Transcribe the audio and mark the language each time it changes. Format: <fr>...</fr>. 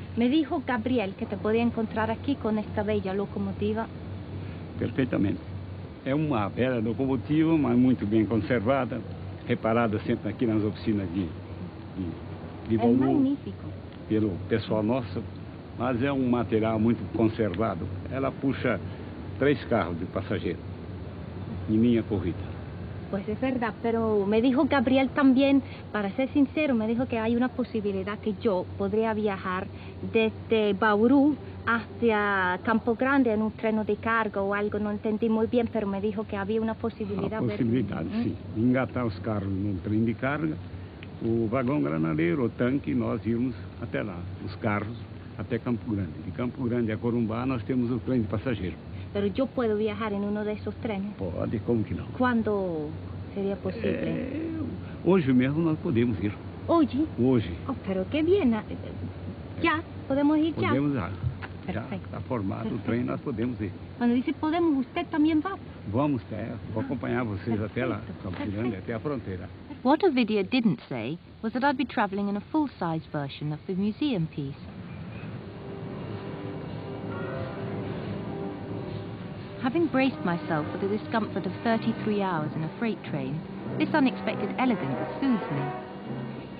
<es>Me dijo Gabriel que te podía encontrar aquí con esta bella locomotiva. Perfectamente.</es> <pt>É uma bela locomotiva, mas muito bem conservada, reparada sempre aqui nas oficinas de Bolu. É magnífico. Pelo pessoal nosso, mas é um material muito conservado. Ela puxa 3 carros de passageiro em minha corrida. Pois é verdade,</pt> <es>pero me dijo Gabriel também, para ser sincero, me dijo que</es> <pt>há uma possibilidade que eu poderia viajar</pt> <es>desde Bauru hacia Campo Grande en un tren de carga o algo, no entendí muy bien, pero me dijo que había una posibilidad. La posibilidad, ver... sí. Engatar los carros en un tren de carga, o vagón granadero, o tanque,</es> <pt>nós íbamos até lá,</pt> <es>los carros, até Campo Grande. De Campo Grande a Corumbá,</es> <pt>nós temos</pt> <es>un tren de pasajeros. Pero yo puedo viajar en uno de esos trenes. Pode, como que no. ¿Cuándo sería posible?</es> <pt>Hoje mesmo nós podemos ir. ¿Hoje? Hoje.</pt> <es>Oh, pero qué bien. ¿Ya? ¿Podemos ir ya?</es> <pt>Podemos ir. Perfecto. Já está formado Perfecto. O trem, nós podemos ir. Quando disse podemos, você também vai? Vamos, é. Vou acompanhar vocês Perfecto. Até lá, Campo Grande, até a fronteira.</pt> <en>What Ovidio didn't say was that I'd be traveling in a full-size version of the museum piece. Having braced myself for the discomfort of 33 hours in a freight train, this unexpected elegance soothes me.</en>